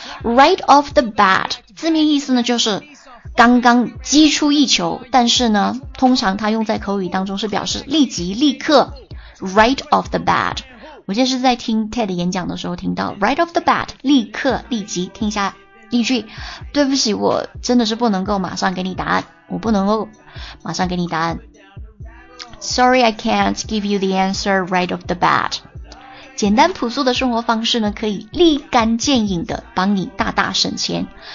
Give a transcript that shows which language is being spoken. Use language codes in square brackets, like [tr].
[zh] Right off the bat, 字面意思呢就是刚刚击出一球，但是呢，通常它用在口语当中是表示立即、立刻。 Right off the bat, 我记得是在听 TED 演讲的时候听到 ，right off the bat, 立刻、立即，听一下例句。对不起，我真的是不能够马上给你答案，我不能够马上给你答案。 [en] Sorry, I can't give you the answer right off the bat. [zh] 简单朴素的生活方式呢，可以立竿见影的帮你大大省钱。